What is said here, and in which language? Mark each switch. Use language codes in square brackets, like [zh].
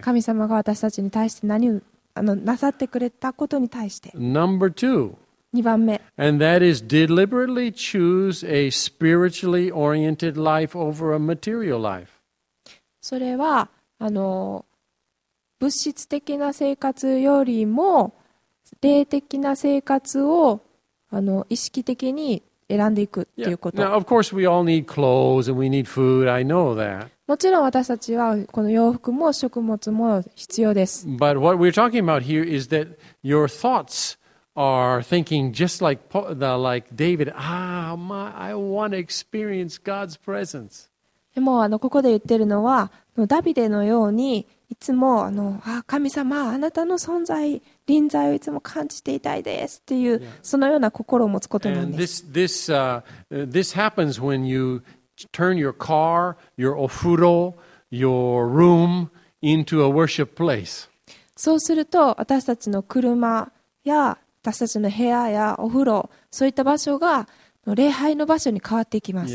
[ja] 神様が私たちに対して何をなさってくれたことに対して。 [en] Number two. [ja] 二番目。 [en] And that is deliberately choose a spiritually oriented life over a material life. [ja] それは物質的な生活よりも霊的な生活を意識的に選んでいくっていうこと。 [en] Yeah. Now, of course, we all need clothes and we need food. I know that. [ja] もちろん私たちはこの洋服も食物も必要です。 [en] But what we're talking about here is that your thoughts are thinking just like David. Ah, my, I want to experience God's presence. [ja] でもここで言ってるのはダビデのようにいつも神様あなたの存在臨在をいつも感じていたいですっていうそのような心を持つことなんです。 [en] And this happens when you turn your car, your ofuro, your room into a worship place. [ja] そうすると私たちの車や私たちの部屋やお風呂、そういった場所が礼拝の場所に変わっていきます。